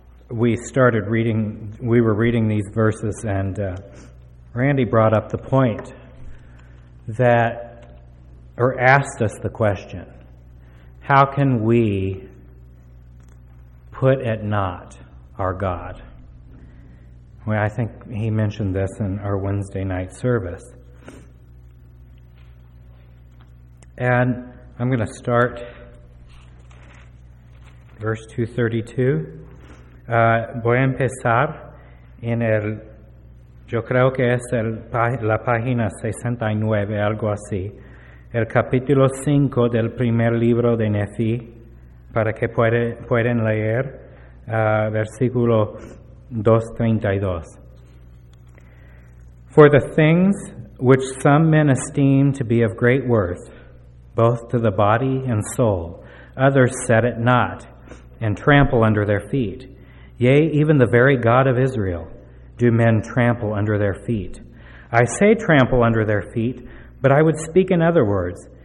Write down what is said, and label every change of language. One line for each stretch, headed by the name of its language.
English: we were reading these verses, and Randy brought up the point that, or asked us the question, how can we put at naught our God? Well, I think he mentioned this in our Wednesday night service. And I'm going to start verse 232.
Spanish: Voy a empezar en el, yo creo que es el, la página 69, algo así. El capítulo 5 del primer libro de Nefi, para que pueden leer, versículo 232.
English: For the things which some men esteem to be of great worth, both to the body and soul, others set at naught and trample under their feet. Yea, even the very God of Israel do men trample under their feet. I say trample under their feet, but I would speak in other words.